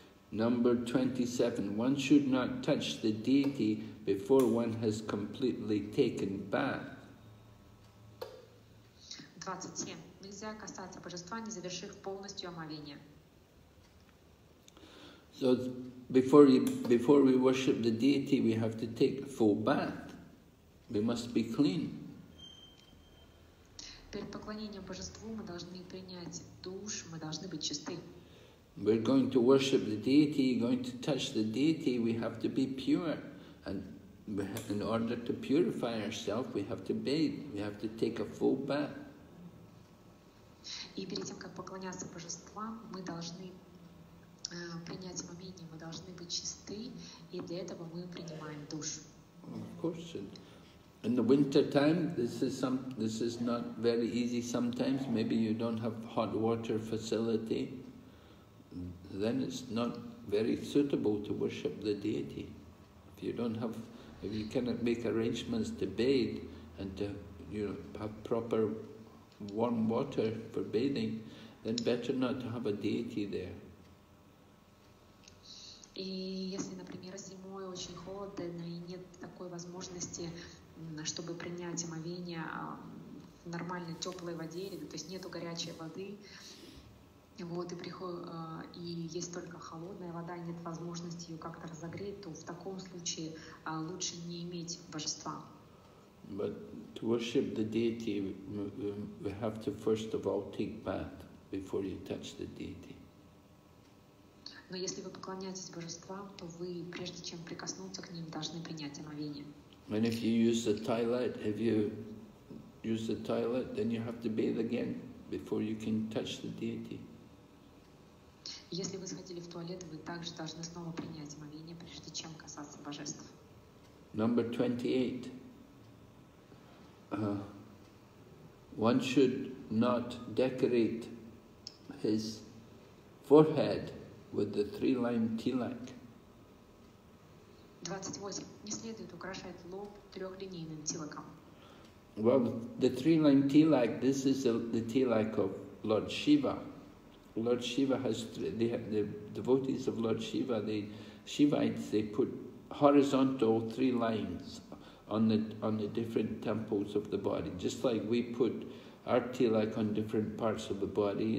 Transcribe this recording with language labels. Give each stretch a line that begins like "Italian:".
English: Number 27. One should not touch the deity before one has completely taken bath.
Russian: 27. Нельзя касаться божества, не завершив полностью омовение.
English: So before we worship the deity, we have to take a full bath. We must be clean.
Russian: Перед поклонением божеству мы должны принять душ, мы должны быть чисты.
English: We're going to worship the deity, going to touch the deity, we have to be pure. And in order to purify ourselves, we have to bathe, we have to take a full bath.
Russian: И перед тем, как поклоняться божествам, мы должны принять омовение, мы должны быть чисты, и для этого мы принимаем душ.
English: Of course. In the winter time, this is not very easy sometimes. Maybe you don't have hot water facility. Then it's not very suitable to worship the deity. If you cannot make arrangements to bathe and to, you know, have proper warm water for bathing, then better not to have a deity there.
Russian: И если, например, зимой очень холодно и нет такой возможности, чтобы принять омовение в нормальной теплой воде, то есть нету горячей воды. Вот, и есть только холодная вода, нет возможности ее как-то разогреть, то в таком случае лучше не иметь божества.
English: But to worship the deity, we have to first of all take bath before you touch the deity.
Russian: Но если вы поклоняетесь божествам, то вы, прежде чем прикоснуться к ним, должны принять омовение.
English: And if you use the toilet, then you have to bathe again before you can touch the deity.
Russian: Если вы сходили в туалет, вы также должны снова принять омовение, прежде чем касаться божеств.
English: Number 28. One should not decorate his forehead with the three-lined tilak.
Russian: 28. Не следует украшать лоб трехлинейным тилаком.
English: Well, the three-lined tilak, this is the tilak of Lord Shiva. Lord Shiva has the devotees of Lord Shiva, the Shivites, they put horizontal three lines on the different temples of the body, just like we put our tilak on different parts of the body.